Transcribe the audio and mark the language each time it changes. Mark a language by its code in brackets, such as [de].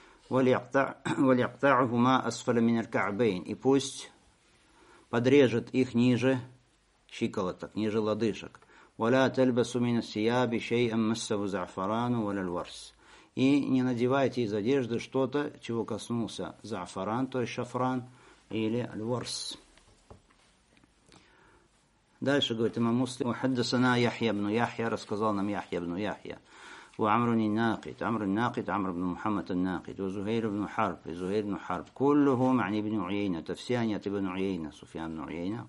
[ar] وليقطعهما أسفل من الكعبين. [ru] И пусть подрежет их ниже щиколоток, ниже лодыжек. [ar] ولا تلبس من الثياب شيئا مسه زعفران ولا الورس. [ru] И не надевайте из одежды что-то, чего коснулся зафаран, то есть шафран, или الورس. Дальше говорит имам Муслим: [ar] «Хаддасана Яхья ибн Яхья», [ru] рассказал нам Яхья ибн Яхья. «Уамру ан-Накит», «Амр ан-Накит», «Амр ибн Мухаммад ан-Накит», «Узухейр ибн Харб», «Узухейр ибн Харб», [ar] «Куллухум ан ибн Уйейна», [ru] это все они от ибн Уйейна, Суфьян ибн Уйейна.